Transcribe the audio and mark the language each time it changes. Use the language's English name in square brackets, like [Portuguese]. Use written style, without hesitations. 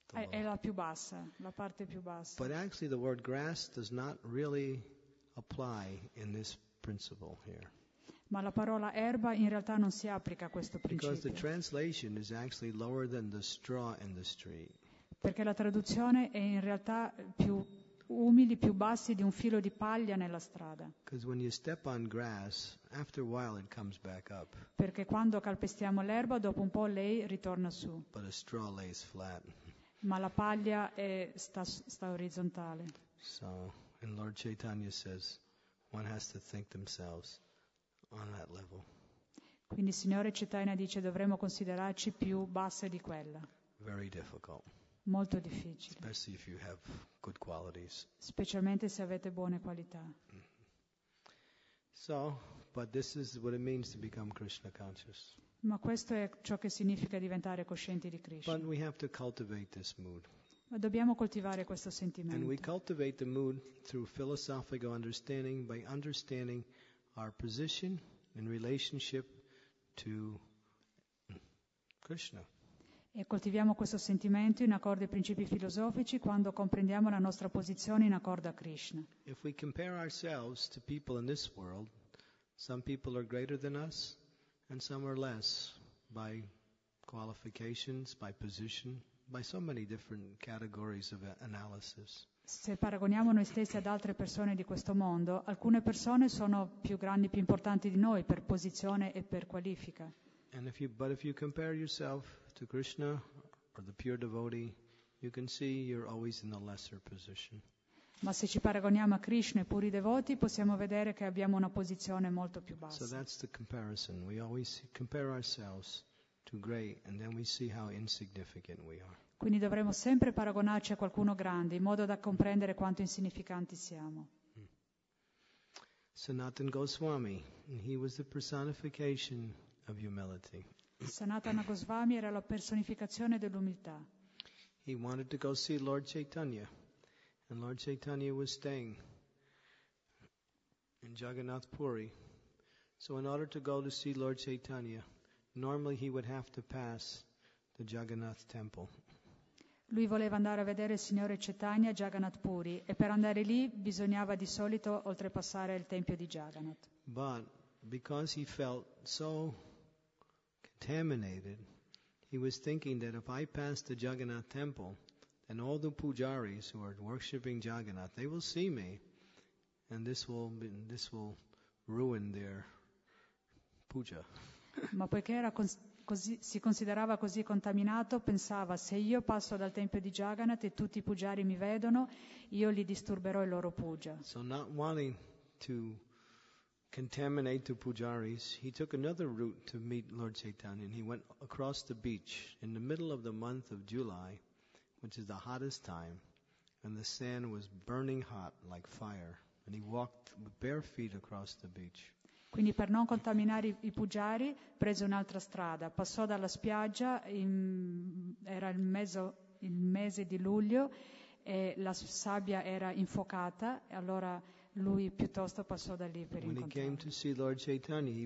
[Italian] È la più bassa, la parte più bassa. [English] But actually the word grass does not really apply in this principle here. [Italian] Ma la parola erba in realtà non si applica a questo principio. [English] Because the translation is actually lower than the straw in the street. [Italian] Perché la traduzione è in realtà più umili, più bassi di un filo di paglia nella strada. [English] Because when you step on grass, after a while it comes back up. [Italian] Perché quando calpestiamo l'erba, dopo un po' lei ritorna su. [English] But a straw lays flat. [Italian] Ma la paglia sta orizzontale. [English] So, and Lord Chaitanya says, one has to think themselves on that level. [Italian] Quindi il Signore Chaitanya dice, dovremmo considerarci più basse di quella. [English] Very difficult. [Italian] Molto difficile. [English] Especially if you have good qualities. [Italian] Specialmente se avete buone qualità. [English] So, but this is what it means to become Krishna conscious. [Italian] Ma questo è ciò che significa diventare coscienti di Krishna. [English] But we have to cultivate this mood. [Italian] Ma dobbiamo coltivare questo sentimento. [English] And we cultivate the mood through philosophical understanding, by understanding our position in relationship to Krishna. [Italian] E coltiviamo questo sentimento in accordo ai principi filosofici quando comprendiamo la nostra posizione in accordo a Krishna. [English] If we compare ourselves to people in this world, some people are greater than us and some are less by qualifications, by position, by so many different categories of analysis. [Italian] Se paragoniamo noi stessi ad altre persone di questo mondo, alcune persone sono più grandi, più importanti di noi per posizione e per qualifica. [English] And if you compare yourself to Krishna or the pure devotee, you can see you're always in the lesser position. [Italian] Ma se ci paragoniamo a Krishna e puri devoti, possiamo vedere che abbiamo una posizione molto più bassa. [English] So that's the comparison. We always compare ourselves to great, and then we see how insignificant we are. [Italian] Quindi dovremo sempre paragonarci a qualcuno grande, in modo da comprendere quanto insignificanti siamo. [English] Sanatan Goswami, he was the personification of humility. [Italian] Sanatana Goswami era la personificazione dell'umiltà. [English] He wanted to go see Lord Chaitanya, and Lord Chaitanya was staying in Jagannath Puri. So in order to go to see Lord Chaitanya, normally he would have to pass the Jagannath temple. [Italian] Lui voleva andare a vedere il signore Chaitanya Jagannath Puri e per andare lì bisognava di solito oltrepassare il tempio di Jagannath. [English] But because he felt so contaminated, he was thinking that if I pass the Jagannath temple, then all the pujaris who are worshipping Jagannath, they will see me, and this will ruin their puja. [Italian] Ma poiché era così, si considerava così contaminato, pensava: se io passo dal tempio di Jagannath e tutti i pujari mi vedono, io li disturberò il loro puja. [English] So not wanting to contaminate the pujaris, he took another route to meet Lord Chaitanya, and he went across the beach in the middle of the month of July, which is the hottest time, and the sand was burning hot like fire, and he walked bare feet across the beach. [Italian] Quindi per non contaminare i pujari prese un'altra strada, passò dalla spiaggia, era il mese di luglio e la sabbia era infuocata, e allora lui piuttosto passò da lì per incontrarlo.